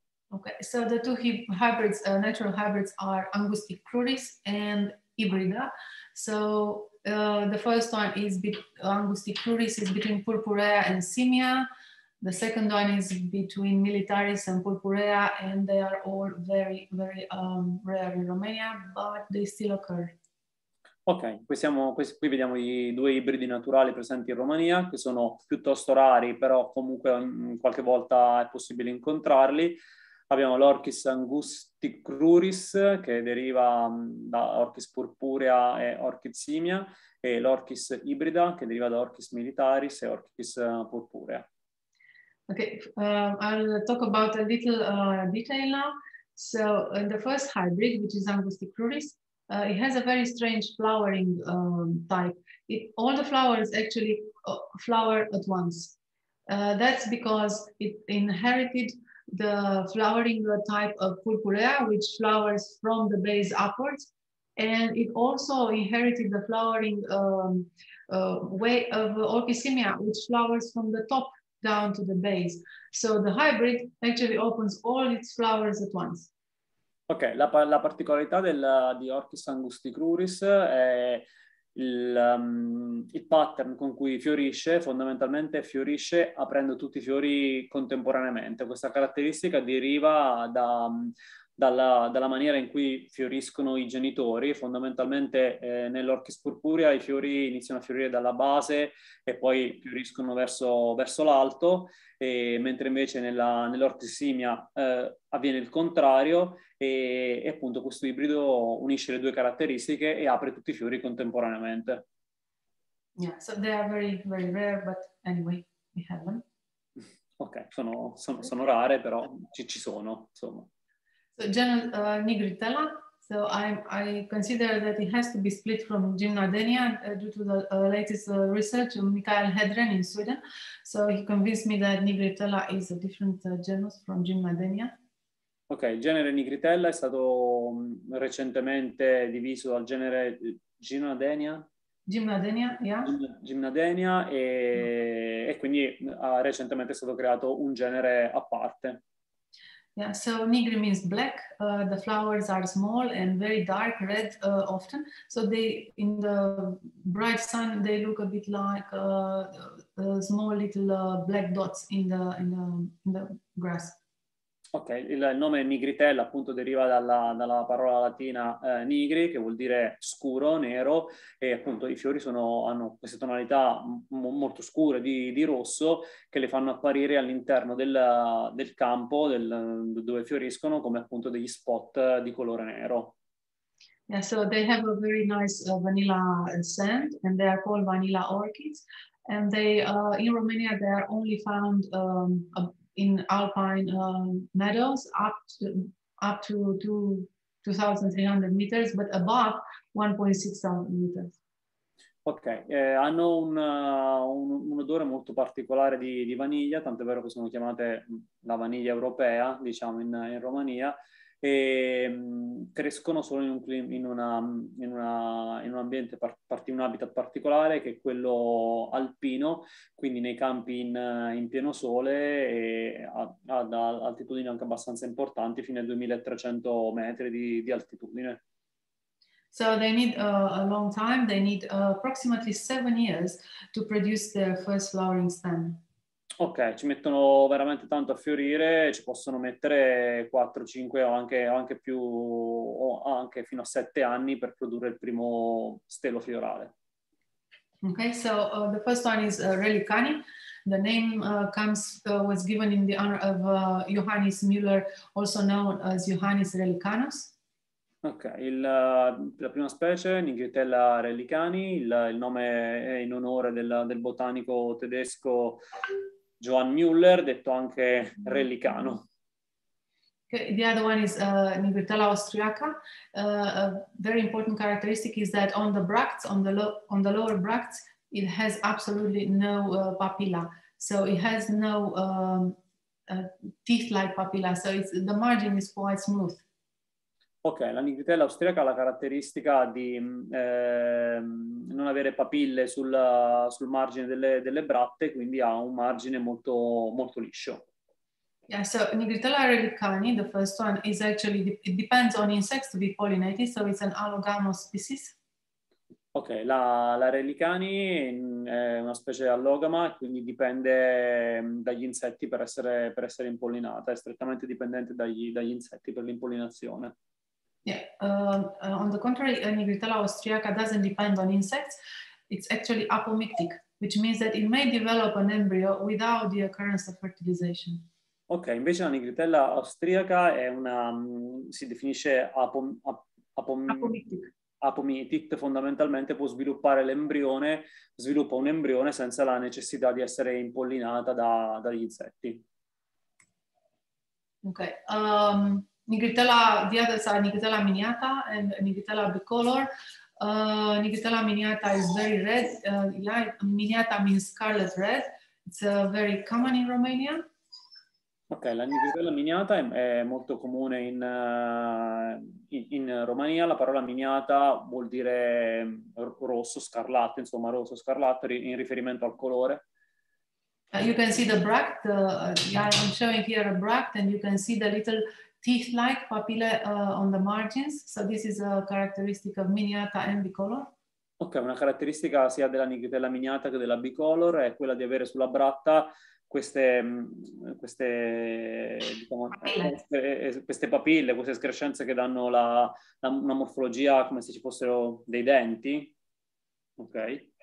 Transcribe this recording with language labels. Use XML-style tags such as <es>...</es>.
<en>Okay, so the two hybrids, natural hybrids, are Angustic cruris and Hybrida. So the first one is Angustic cruris is between purpurea and simia. The second one is between militaris and purpurea, and they are all very, very rare in Romania, but they still occur.</en> <it>Ok, qui vediamo i due ibridi naturali presenti in Romania, che sono piuttosto rari, però comunque qualche volta è possibile incontrarli. Abbiamo l'Orchis angustic cruris, che deriva da Orchis purpurea e Orchis simia, e l'Orchis hybrida, che deriva da Orchis militaris e Orchis purpurea.</it> <en>Ok, I'll talk about a little detail now. So, the first hybrid, which is angustic cruris, it has a very strange flowering type. All the flowers actually flower at once. That's because it inherited the flowering type of purpurea, which flowers from the base upwards, and it also inherited the flowering way of Orchisimia, which flowers from the top down to the base. So the hybrid actually opens all its flowers at once.</en> <it>Ok, la particolarità di Orchis angustic cruris è il pattern con cui fiorisce. Fondamentalmente fiorisce aprendo tutti i fiori contemporaneamente. Questa caratteristica deriva dalla maniera in cui fioriscono i genitori. Fondamentalmente nell'Orchis purpurea i fiori iniziano a fiorire dalla base e poi fioriscono verso l'alto, e mentre invece nell'Orchis simia avviene il contrario, e appunto questo ibrido unisce le due caratteristiche e apre tutti i fiori contemporaneamente.</it> <en>Yeah, so they are very, very rare, but anyway, we have them.</en> <it>Ok, sono rare, però ci sono, insomma.</it> <en>So genus Nigritella, so I consider that it has to be split from Gymnardenia due to the latest research of Mikael Hedren in Sweden. So he convinced me that Nigritella is a different genus from Gymnardenia.</en> <it>Ok, il genere Nigritella è stato recentemente diviso dal genere Gymnardenia.</it> <en>Gymnardenia, yeah.</en> <it>Gymnardenia, e quindi recentemente è stato creato un genere a parte.</it> <en>Yeah, so Nigri means black. The flowers are small and very dark red often. So they, in the bright sun, they look a bit like small little black dots in the grass.</en> <it>Ok, il nome Nigritella appunto deriva dalla parola latina nigri, che vuol dire scuro, nero, e appunto i fiori hanno queste tonalità molto scure di rosso che le fanno apparire all'interno del campo dove fioriscono come appunto degli spot di colore nero.</it> <en>Yeah, so they have a very nice vanilla scent and they are called vanilla orchids. and they in Romania they are only found in alpine meadows up to 2,300 meters, but above 1.6 meters.</en> <it>Ok, hanno un odore molto particolare di vaniglia, tanto è vero che sono chiamate la vaniglia europea, diciamo, in Romania, e crescono solo in un clima, in un ambiente, in un habitat particolare, che è quello alpino, quindi nei campi in pieno sole, e ad altitudini anche abbastanza importanti, fino ai 2.300 metri di altitudine.</it> <en>So they need a long time, they need approximately 7 years to produce their first flowering stem.</en> <it>Ok, ci mettono veramente tanto a fiorire, ci possono mettere 4, 5 o anche fino a 7 anni per produrre il primo stelo florale.</it> <en>Ok, so the first one is Relicani. The name was given in the honor of Johannes Müller, also known as Johannes Relicanus.</en> <it>Ok, la prima specie, Nigritella relicani, il nome è in onore del botanico tedesco Johann Müller, detto anche relicano.</it> <en>Okay, the other one is Nigritella austriaca. A very important characteristic is that on the bracts, on the lower bracts, it has absolutely no papilla. So it has no teeth-like papilla, so the margin is quite smooth.</en> <it>Ok, la Nigritella austriaca ha la caratteristica di non avere papille sul margine delle bratte, quindi ha un margine molto, molto liscio.</it> <en>Yeah, so Nigritella relicani, the first one, is actually, it depends on insects to be pollinated, so it's an allogamous species.</en> <it>Ok, la relicani è una specie allogama, quindi dipende dagli insetti per essere impollinata, è strettamente dipendente dagli insetti per l'impollinazione.</it> <en>Yeah, on the contrary, Nigritella austriaca doesn't depend on insects. It's actually apomictic, which means that it may develop an embryo without the occurrence of fertilization.</en> <it>Ok, invece la Nigritella austriaca è una, si definisce apomictic, fondamentalmente può sviluppare l'embrione, sviluppa un embrione senza la necessità di essere impollinata dagli insetti.</it> <en>Ok. Nigritella, the others are Nigritella miniata and Nigritella bicolor. Nigritella miniata is very red. Miniata means scarlet red. It's very common in Romania.</en> <it>Ok, la Nigritella miniata è molto comune in Romania. La parola miniata vuol dire rosso, scarlatto, insomma rosso, scarlatto, in riferimento al colore.</it> <en>You can see the bract. I'm showing here a bract and you can see the little teeth-like papillae on the margins, so this is a characteristic of miniata and bicolor.</en> <it>Ok, una caratteristica sia della Nigritella miniata che della bicolor è quella di avere sulla bratta queste papille, queste escrescenze che danno una morfologia come se ci fossero dei denti, ok?</it>